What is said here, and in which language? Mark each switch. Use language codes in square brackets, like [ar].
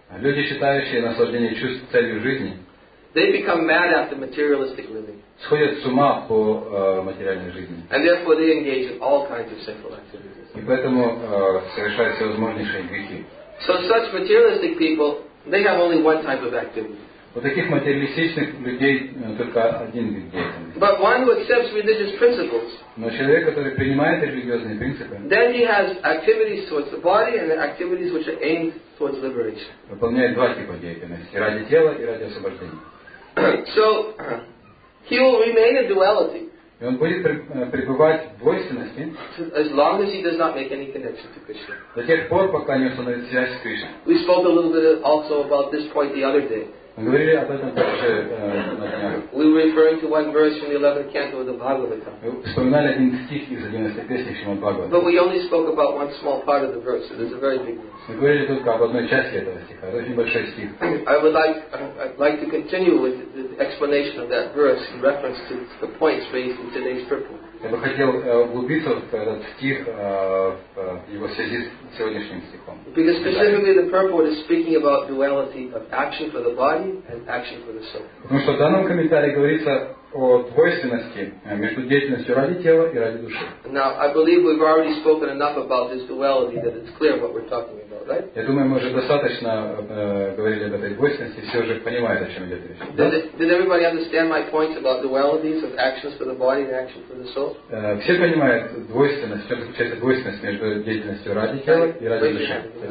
[ru] Люди, считающие наслаждение чувств целью жизни. [en] They become mad after materialistic living. [ru] Сходят с ума по материальной жизни. [en] And therefore they engage in all kinds of sinful activities. [ru] И поэтому совершают всевозможнейшие грехи. [en] So such materialistic people, they have only one type of activity. [ru] У таких материалистичных людей только один вид деятельности. [en] But one who accepts religious principles. [ru] Но человек, который принимает религиозные принципы. [en] Then he has activities towards the body and activities which are aimed towards liberation. [ru] Выполняет два типа деятельности: ради тела и ради освобождения. [en] So he will remain in duality. [ru] и он будет пребывать в двойственности [en] as long as he does not make any connection to Krishna. [ru] До тех пор, пока не установит связь с Кришной. [en] We spoke a little bit also about this point the other day. [ru] Мы говорили об этом также [en] We were referring to one verse from the 11th canto of the Bhagavatam. [ru] Вспоминали один стих из 11 песни Шримад Бхагаватам. [en] But we only spoke about one small part of the verse. It is a very big verse. [ru] Мы говорили только об одной части этого стиха. Это очень большой стих. [en] I would like to continue with the explanation of that verse in reference to the points raised in today's purport. [ru] Я бы хотел углубиться в этот стих в его связи с сегодняшним стихом. [en] Because specifically the purport is speaking about duality of action for the body and action for the soul. [ru] Потому что в данном комментарии говорится о двойственности между деятельностью ради тела и ради души. [en] Now I believe we've already spoken enough about this duality that it's clear what we're talking about, right? [ru] Я думаю, мы уже достаточно говорили об этой двойственности, все уже понимают, о чем идет речь. [en] Did everybody understand my points about dualities of actions for the body and action for the soul? [ru] Все понимают двойственность, что это двойственность между деятельностью ради тела и ради души.